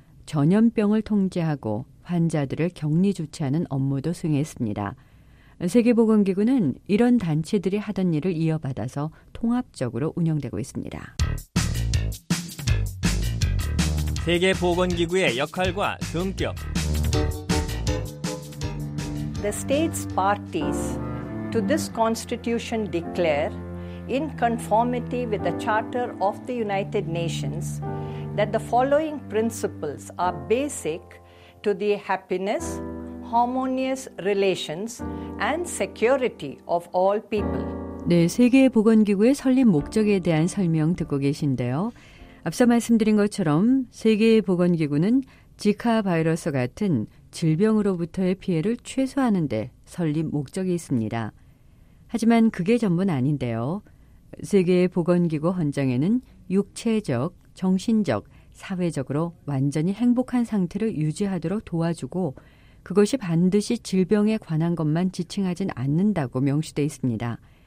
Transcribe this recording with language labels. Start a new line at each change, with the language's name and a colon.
Korean: 전염병을 통제하고 환자들을 격리 조치하는 업무도 수행했습니다. 세계보건기구는 이런 단체들이 하던 일을 이어받아서 통합적으로 운영되고 있습니다. 세계보건기구의 역할과 성격.
English: The states parties to this constitution declare in conformity with the Charter of the United Nations that the following principles are basic to the happiness, harmonious relations and security of all people.
Korean: 네, 세계보건기구의 설립 목적에 대한 설명 듣고 계신데요. 앞서 말씀드린 것처럼 세계보건기구는 지카 바이러스 같은 질병으로부터의 피해를 최소화하는 데 설립 목적이 있습니다. 하지만 그게 전부는 아닌데요. 세계보건기구 헌장에는 육체적, 정신적, 사회적으로 완전히 행복한 상태를 유지하도록 도와주고 그것이 반드시 질병에 관한 것만 지칭하진 않는다고 명시돼 있습니다.